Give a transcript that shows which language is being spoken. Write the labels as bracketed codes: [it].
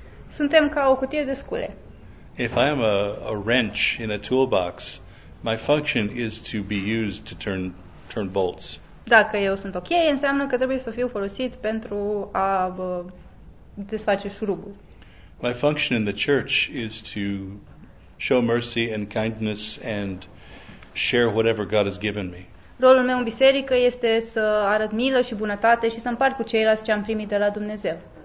[ro] Suntem ca o cutie de scule. [en] If I am a wrench in a toolbox, my function is to be used to turn bolts. [ro] Dacă eu sunt ok, înseamnă că trebuie să fiu folosit pentru a desface șurubul. [en] My function in the church is to show mercy and kindness and share whatever God has given me. [ro] Rolul meu în biserică este să arăt milă și bunătate și să împart cu ceilalți ce am primit de la Dumnezeu.